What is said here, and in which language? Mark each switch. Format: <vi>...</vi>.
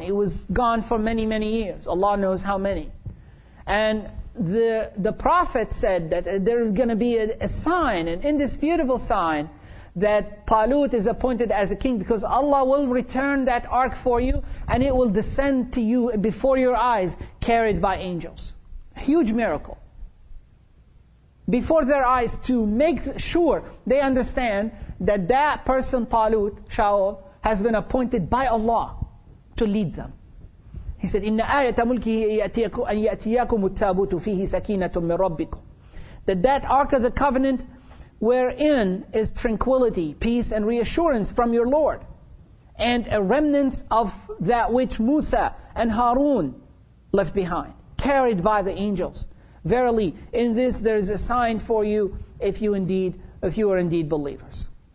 <en>It was gone for many, many years. Allah knows how many. And the prophet said that there is going to be a sign, an indisputable sign, that Talut is appointed as a king, because Allah will return that ark for you and it will descend to you before your eyes carried by angels. Huge miracle. Before their eyes, to make sure they understand that that person Talut, Shaul, has been appointed by Allah to lead them. He said,</en> <ar>إِنَّ آيَةَ مُلْكِهِ أَنْ يَأْتِيَكُمُ التَّابُوتُ فِيهِ سَكِينَةٌ مِّن رَبِّكُمْ.</ar> <en>That ark of the covenant, wherein is tranquility, peace and reassurance from your Lord, and a remnant of that which Musa and Harun left behind, carried by the angels. Verily, in this there is a sign for you, if you are indeed believers.</en>